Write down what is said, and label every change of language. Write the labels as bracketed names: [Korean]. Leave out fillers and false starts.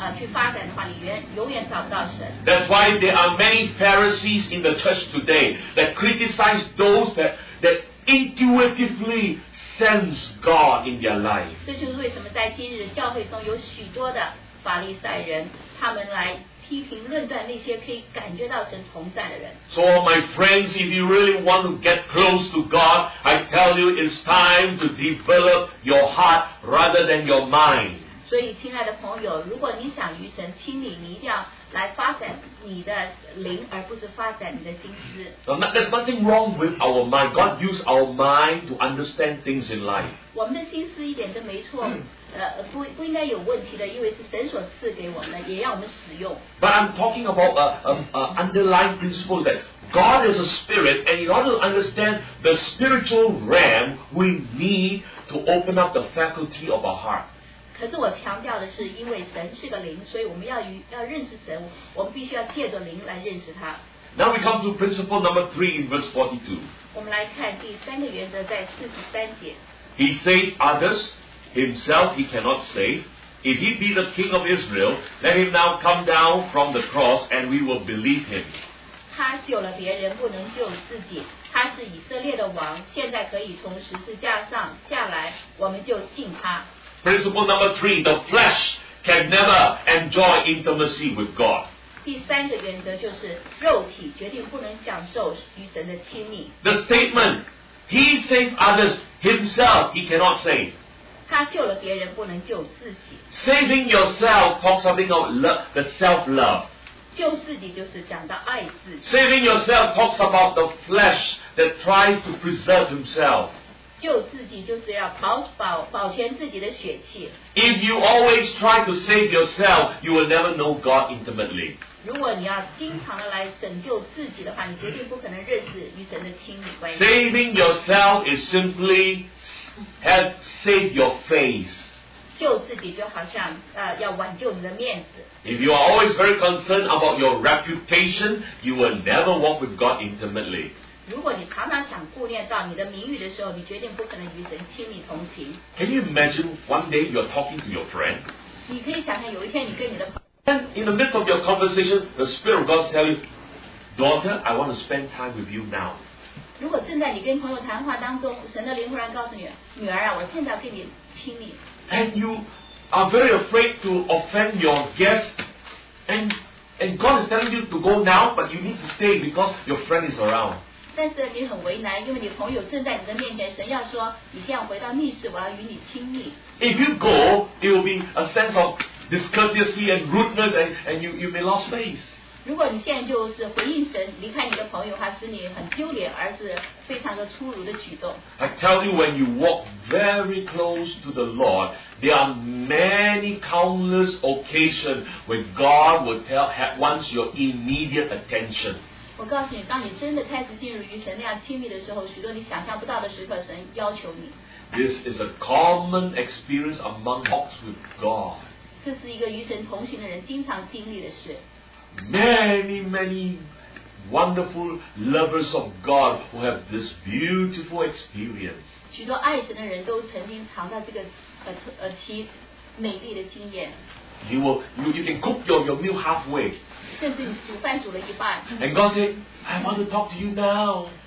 [Chinese] 我告诉你，如果你是在心思上很发达的人，而从来没有去让在你的灵里面有任何的去发展的话，你永远找不到神。 [English] That's why there are many Pharisees in the church today that criticize those that intuitively sense God in their life. [Chinese] 这就是为什么在今日教会中有许多的法利赛人，他们来 [English] So my friends, if you really want to get close to God, I tell you it's time to develop your heart rather than your mind. [Chinese] 所以亲爱的朋友，如果你想与神亲密，你一定要来发展你的灵，而不是发展你的心思。 [English] There's nothing wrong with our mind. God used our mind to understand things in life. [Chinese] 我们的心思一点都没错，不应该有问题的，因为是神所赐给我们的，也要我们使用。 [English] But I'm talking about a underlying principle that God is a spirit, and in order to understand the spiritual realm, we need to open up the faculty of our heart. [Chinese] 可是我强调的是，因为神是个灵，所以我们要认识神，我们必须要借着灵来认识他。 [English] Now we come to principle number 3 in verse 42. [Chinese] 我们来看第三个原则，在43节。 [English] He saved others, himself he cannot save. If he be the king of Israel, let him now come down from the cross, and we will believe him. [Chinese] 他救了别人，不能救自己。他是以色列的王，现在可以从十字架上下来，我们就信他。 [English] Principle number 3, the flesh can never enjoy intimacy with God. [Chinese] 第三个原则就是肉体决定不能享受与神的亲密。 [English] The statement, he saved others, himself he cannot save. [Chinese] 他救了别人，不能救自己。 [English] Saving yourself talks something of love, the self-love. [Chinese] 救自己就是讲到爱自己。 [English] Saving yourself talks about the flesh that tries to preserve himself. [Chinese] 救自己就是要保全自己的血气。 [English] If you always try to save yourself, you will never know God intimately. [Chinese] 如果你要经常来拯救自己的话，你绝对不可能认识与神的亲密关系。 [English] Saving yourself is simply have saved your face. [Chinese] 救自己就好像要挽救你的面子。 [English] If you are always very concerned about your reputation, you will never walk with God intimately. [Chinese] 如果你常常想顾念到你的名誉的时候，你决定不可能与神亲密同行。 [English] Can you imagine one day you are talking to your friend? [Chinese] 你可以想象有一天你跟你的朋友。 [English] In the midst of your conversation, the Spirit of God tell you, daughter, I want to spend time with you now. [Chinese] 如果正在你跟朋友谈话当中，神的灵忽然告诉你，女儿啊，我现在要跟你亲密。 [English] And you are very afraid to offend your guest. And God is telling you to go now, but you need to stay because your friend is around. [Chinese] 但是你很为难，因为你朋友正在你的面前，神要说，你现在回到密室，我要与你亲密。 [English] If you go, it will be a sense of discourtesy and rudeness, and you may lose face. [Chinese] 如果你现在就是回应神，离开你的朋友的话，使你很丢脸，而是非常的粗鲁的举动。 [English] I tell you, when you walk very close to the Lord, there are many countless occasions when God will tell wants your immediate attention. [Chinese] 我告诉你，当你真的开始进入与神那样亲密的时候，许多你想象不到的时刻，神要求你。 [English] This is a common experience among walks with God. [Chinese] 这是一个与神同行的人经常经历的事。 [English] Many, many wonderful lovers of God who have this beautiful experience. [Chinese] 许多爱神的人都曾经尝到这个其美丽的经验。 [English] You can cook your meal halfway. [Chinese] 甚至你煮饭煮了一半。 [English] And God said, I want to talk to you now.